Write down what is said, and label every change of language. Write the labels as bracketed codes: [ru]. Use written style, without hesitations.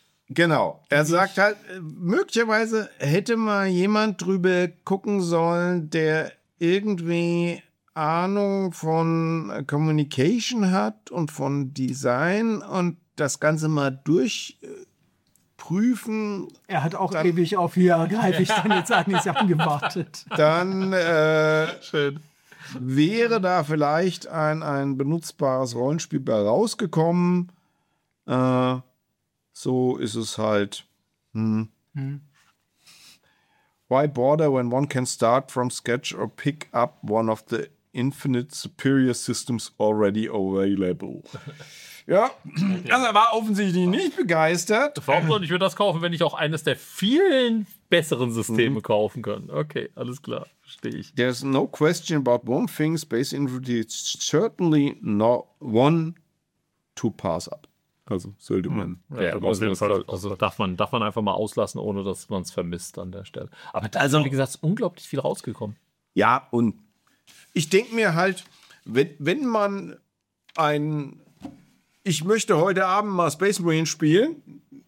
[de] Genau, er sagt halt, möglicherweise hätte mal jemand drüber gucken sollen, der irgendwie Ahnung von Communication hat und von Design und das Ganze mal durchprüfen. Er hat auch dann, ewig auf hier greife ich dann jetzt an, ich habe gewartet. Dann schön. wäre da vielleicht ein benutzbares Rollenspiel bei rausgekommen. So ist es halt. [en] Why bother when one can start from scratch or pick up one of the infinite superior systems already available? [de] Ja, also er war offensichtlich nicht begeistert. Warum soll ich mir das kaufen, wenn ich auch eines der vielen besseren Systeme kaufen kann? Okay, alles klar, verstehe ich. [en] There's no question about one thing. Space Infinity is certainly not one to pass up. [de] Also sollte man. Darf man einfach mal auslassen, ohne dass man es vermisst an der Stelle. Aber da ist, wie gesagt, unglaublich viel rausgekommen. Ja, und ich denke mir halt, wenn man ein... Ich möchte heute Abend mal Space Marine spielen.